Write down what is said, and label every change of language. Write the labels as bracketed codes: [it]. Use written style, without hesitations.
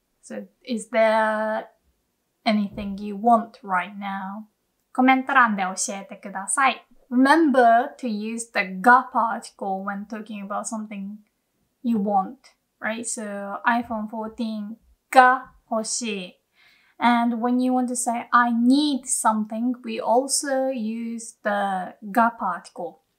[en] So, is there anything you want right now? [ja] コメント欄で教えてください。 [en] Remember to use the が particle when talking about something you want, right? [ja] So, iPhone 14 が欲しい。 [en] And when you want to say, I need something, we also use the が particle.